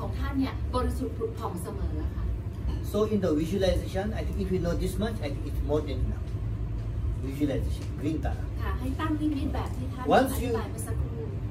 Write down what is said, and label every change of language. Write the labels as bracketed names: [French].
[Thai] แล้วพรของท่านเนี่ยบริสุทธิ์ผุดผ่องเสมอค่ะ [English] So in the visualization I think if you know this much I think it's more than enough visualization green tara [Thai] ค่ะให้ตั้งนิมิตแบบที่ท่านอธิบายไปสักครู่